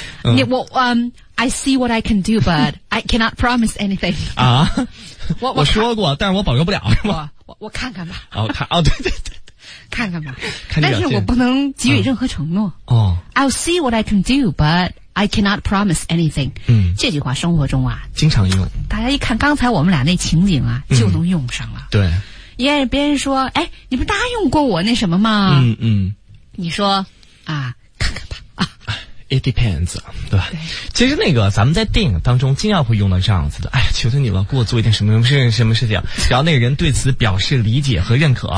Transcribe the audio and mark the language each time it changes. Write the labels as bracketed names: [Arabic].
[English] 我I see what I can do, but I cannot promise anything。 [Chinese] 啊，我说过，但是我保证不了，是吗？我看看吧。哦，看，哦，对对对。看看吧，看，但是我不能给予任何承诺。 [English] I'll see what I can do, but I cannot promise anything。 [Chinese] 这句话生活中啊，经常用。大家一看刚才我们俩那情景啊，就能用上了。对，因为别人说，哎，你不答应过我那什么吗？你说啊，看看吧啊。 [English] It depends， [Chinese] 对吧？其实那个咱们在电影当中经常会用到这样子的，哎，求求你了，给我做一点什么什么什么事情，然后那个人对此表示理解和认可。